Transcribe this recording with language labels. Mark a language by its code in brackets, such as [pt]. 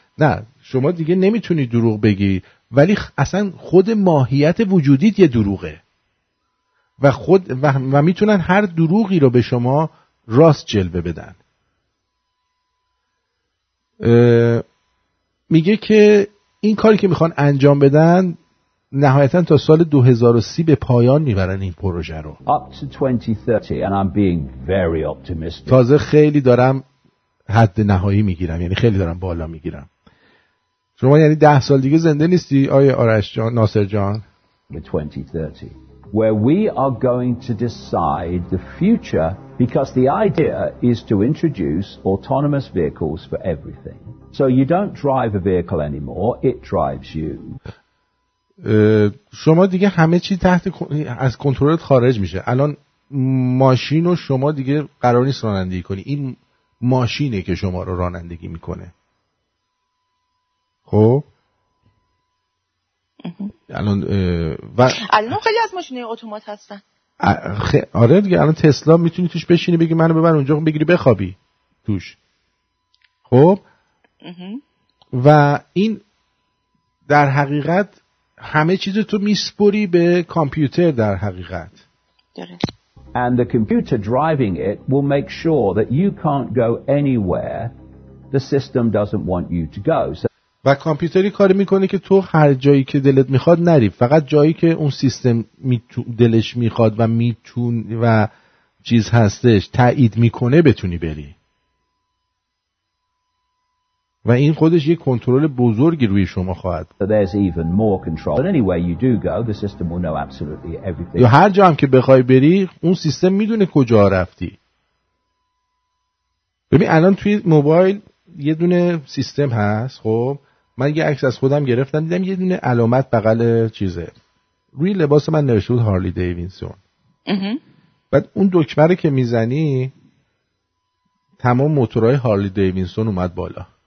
[fa] نه شما دیگه نمیتونی دروغ بگی، ولی اصلا خود ماهیت وجودیت یه دروغه و خود و میتونن هر دروغی رو به شما راست جلوه بدن. میگه که این کاری که میخوان انجام بدن نهایتا تا سال 2030 به پایان میبرن این پروژه رو. [en] Up to 2030 and I'm being very optimistic. [fa] تازه خیلی دارم حد نهایی میگیرم، یعنی خیلی دارم بالا میگیرم. شما یعنی 10 سال دیگه زنده نیستی آیه آرش جان، ناصر جان. [en] The 2030 where we are going to decide the future. Because the idea is to introduce autonomous vehicles for everything. So you don't drive a vehicle anymore, it drives you. [fa] شما دیگه همه چی تحت از کنترلت خارج میشه. الان ماشین رو شما دیگه قرار نیست رانندگی کنی. این ماشینه که شما رو رانندگی میکنه. خب الان و الان خیلی از ماشینه اتومات هستن. آره دیگه، الان تسلا میتونی توش بشینی بگی منو ببر اونجا بگیری بخوابی توش. خب و این در حقیقت همه چیز تو میسپری به کامپیوتر در حقیقت. [en] And the computer driving it will make sure that you can't go anywhere the system doesn't want you to go. [fa] و کامپیوتری کار میکنه که تو هر جایی که دلت میخواد نری، فقط جایی که اون سیستم دلش میخواد و میتونه و چیز هستش تایید میکنه بتونی بری. و این خودش یک کنترل بزرگی روی شما خواهد. [en] There's even more control. But anywhere you do go, the system will know absolutely everything. [fa] یا هر جا هم که بخوای بری، اون سیستم میدونه کجا رفتی. ببین الان توی موبایل یه دونه سیستم هست، خب من یه عکس از خودم گرفتم، دیدم یه دونه علامت بغل چیزه. روی لباس من نوشته بود هارلی دیوینسون. بعد اون دکمه رو که میزنی تمام موتورهای هارلی دیوینسون اومد بالا.